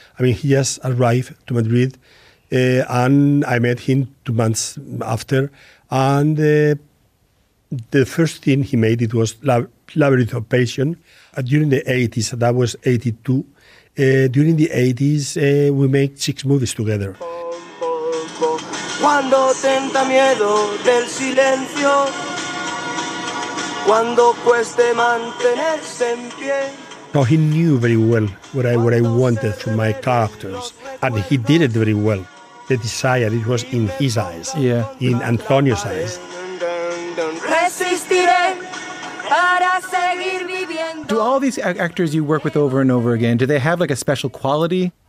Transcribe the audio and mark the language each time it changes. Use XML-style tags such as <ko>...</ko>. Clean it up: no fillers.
<en>I mean, he just arrived to Madrid, and I met him 2 months after, And the first thing he made, it was Labyrinth of Passion during the 80s, and that was 82. During the 80s, we made 6 movies together.</en> <es>Cuando tenta miedo del silencio, cuando cueste mantenerse en pie.</es> <en>So he knew very well what I wanted from my characters, and he did it very well. The desire, it was in his eyes, in Antonio's eyes. Do all these actors you work with over and over again, do they have like a special quality?</en>